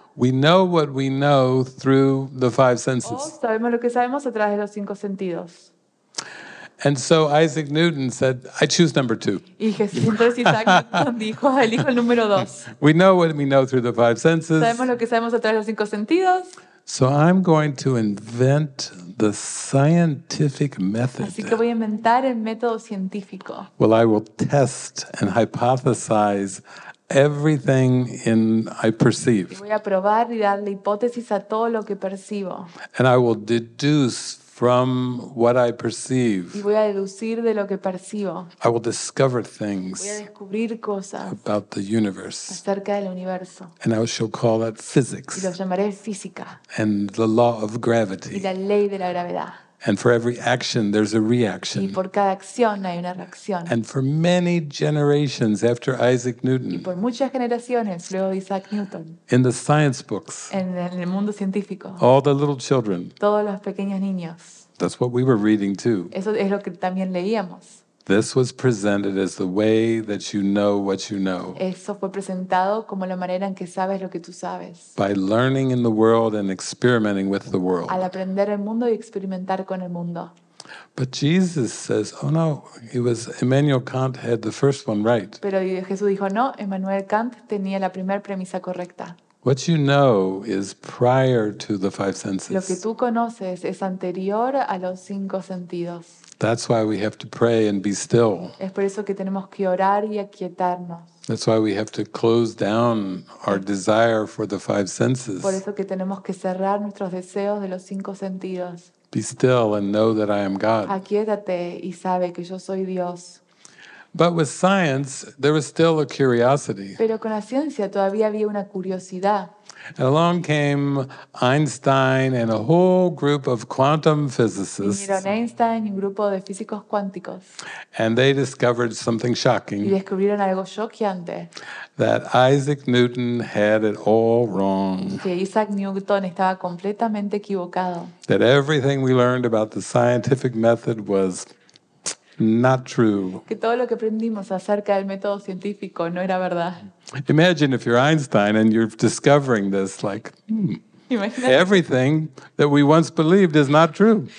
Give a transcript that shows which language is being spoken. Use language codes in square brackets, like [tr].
[en] We know what we know through the five senses. [es] O sabemos lo que sabemos a través de los cinco sentidos. [en] And so Isaac Newton said, I choose number two. [es] Y Jesús, entonces Isaac dijo, elijo el número dos. [en] We know what we know through the five senses. [es] Sabemos lo que sabemos a través de los cinco sentidos. [en] So I'm going to invent the scientific method. [es] Así que voy a inventar el método científico. [en] Well, I will test and hypothesize everything in I perceive. [es] Y voy a probar y darle hipótesis a todo lo que percibo. [en] And I will deduce from what I perceive. [es] Y voy a deducir de lo que percibo. [en] I will discover things. [es] Voy a descubrir cosas. [en] About the universe. [es] Acerca del universo. [en] And I shall call that physics. [es] Y lo llamaré física. [en] And the law of gravity. [es] Y la ley de la gravedad. [en] And for every action, there's a reaction. [es] Y por cada acción hay una reacción. [en] And for many generations after Isaac Newton. [es] Y por muchas generaciones luego de Isaac Newton. [en] In the science books. [es] En el mundo científico. [en] All the little children. [es] Todos los pequeños niños. [en] That's what we were reading too. [es] Eso es lo que también leíamos. [en] This was presented as the way that you know what you know. [es] Eso fue presentado como la manera en que sabes lo que tú sabes. [en] By learning in the world and experimenting with the world. [es] Al aprender el mundo y experimentar con el mundo. [en] But Jesus says, "Oh no, it was Immanuel Kant had the first one right." [es] Pero Jesús dijo, "No, Immanuel Kant tenía la primera premisa correcta." [en] What you know is prior to the five senses. [es] Lo que tú conoces es anterior a los cinco sentidos. [en] That's why we have to pray and be still. [es] Es por eso que tenemos que orar y aquietarnos. [en] That's why we have to close down our desire for the five senses. [es] Por eso que tenemos que cerrar nuestros deseos de los cinco sentidos. [en] Be still and know that I am God. [es] Aquiétate y sabe que yo soy Dios. [en] But with science, there was still a curiosity. [es] Pero con la ciencia todavía había una curiosidad. [en] And along came Einstein and a whole group of quantum physicists. [es] Vinieron Einstein y un grupo de físicos cuánticos. [en] And they discovered something shocking. [es] Y descubrieron algo shockeante. [en] That Isaac Newton had it all wrong. [es] Que Isaac Newton estaba completamente equivocado. [en] That everything we learned about the scientific method was not true. [es] Que todo lo que aprendimos acerca del método científico no era verdad. [en] Imagine if you're Einstein and you're discovering this, like, [es] imagínate, [en] everything that we once believed is not true.